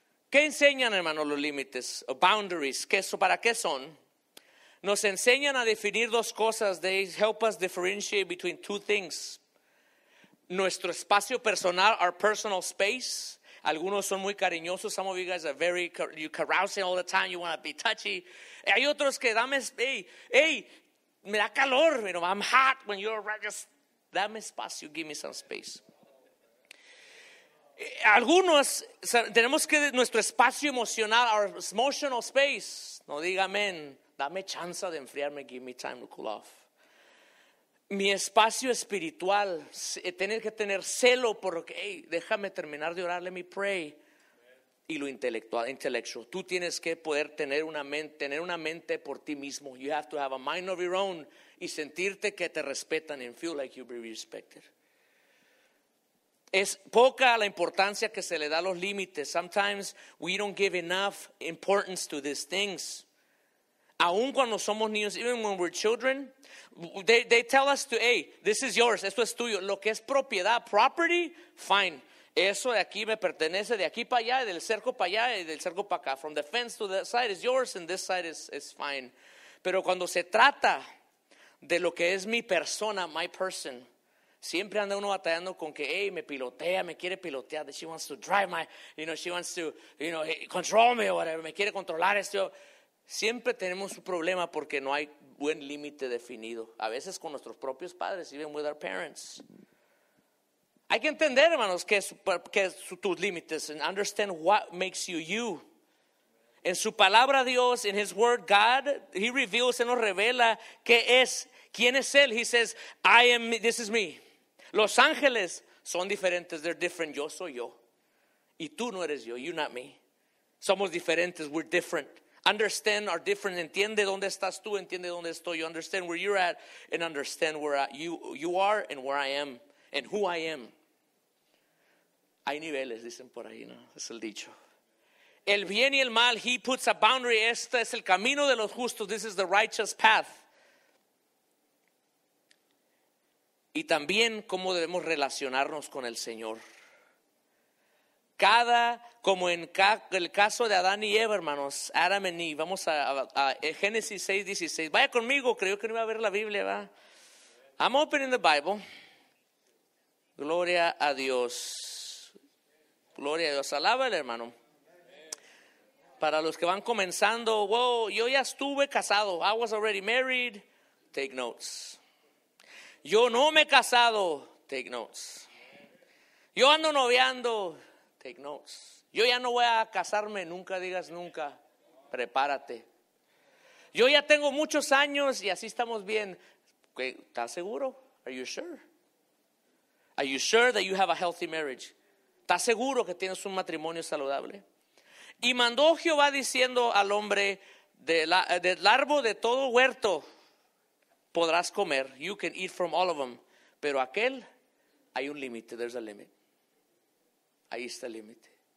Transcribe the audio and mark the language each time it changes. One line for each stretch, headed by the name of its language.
Spanish: ¿Qué enseñan, hermano, los límites? Boundaries, ¿qué son? ¿Para qué son? Nos enseñan a definir dos cosas.
English: They help us differentiate between two things.
Spanish: Nuestro espacio personal,
English: our personal space.
Spanish: Algunos son muy cariñosos.
English: Some of you guys are very, you carousing all the time. You want to be touchy.
Spanish: Hay otros que dame, hey, me da calor.
English: You know, I'm hot when you're just,
Spanish: dame espacio,
English: give me some space.
Spanish: Algunos, tenemos que, nuestro espacio emocional,
English: our emotional space.
Spanish: No diga amén, dame chance de enfriarme,
English: give me time to cool off.
Spanish: Mi espacio espiritual, tener que tener celo por, hey, déjame terminar de orar,
English: let me pray.
Spanish: Y lo intelectual, intellectual, tú tienes que poder tener una mente por ti mismo.
English: You have to have a mind of your own
Spanish: y sentirte que te respetan
English: and feel like you'll be respected.
Spanish: Es poca la importancia que se le da a los límites.
English: Sometimes we don't give enough importance to these things.
Spanish: Aun cuando somos niños,
English: even when we're children, they tell us to, hey, this is yours,
Spanish: esto es tuyo. Lo que es propiedad, property, fine. Eso de aquí me pertenece, de aquí para allá, del cerco para allá y del cerco para acá.
English: From the fence to that side is yours and this side is fine.
Spanish: Pero cuando se trata de lo que es mi persona,
English: my person,
Spanish: siempre anda uno batallando con que, hey, me pilotea, me quiere pilotear.
English: She wants to drive my, you know, she wants to, you know, control me or whatever.
Spanish: Me quiere controlar esto. Siempre tenemos un problema porque no hay buen límite definido. A veces con nuestros propios padres,
English: even with our parents.
Spanish: Hay que entender, hermanos, que tus límites,
English: and understand what makes you you.
Spanish: En su palabra Dios,
English: in his word God, he reveals,
Spanish: él nos revela qué es, quién es él.
English: He says, I am, this is me.
Spanish: Los ángeles son diferentes,
English: they're different,
Spanish: yo soy yo. Y tú no eres yo,
English: you're not me.
Spanish: Somos diferentes,
English: we're different. Understand our difference,
Spanish: entiende dónde estás tú, entiende dónde estoy yo.
English: Understand where you're at and understand where you are and where I am and who I am.
Spanish: Hay niveles, dicen por ahí, ¿no? Es el dicho. El bien y el mal,
English: he puts a boundary.
Spanish: Este es el camino de los justos.
English: This is the righteous path.
Spanish: Y también cómo debemos relacionarnos con el Señor. Cada, como en el caso de Adán y Eva, hermanos, Adam y Eve. Vamos a Génesis 6, 16. Vaya conmigo, creo que no iba a ver la Biblia, ¿va?
English: I'm opening the Bible.
Spanish: Gloria a Dios. Gloria a Dios. Alaba el hermano. Para los que van comenzando, wow, yo ya estuve casado.
English: I was already married. Take notes.
Spanish: Yo no me he casado.
English: Take notes.
Spanish: Yo ando noviando.
English: Take notes.
Spanish: Yo ya no voy a casarme. Nunca digas nunca. Prepárate. Yo ya tengo muchos años y así estamos bien. ¿Estás seguro?
English: Are you sure? Are you sure that you have a healthy marriage?
Spanish: ¿Estás seguro que tienes un matrimonio saludable? Y mandó Jehová diciendo al hombre, del árbol de todo huerto podrás comer.
English: You can eat from all of them.
Spanish: Pero aquel, hay un límite.
English: There's a limit.
Spanish: Ahí está el límite.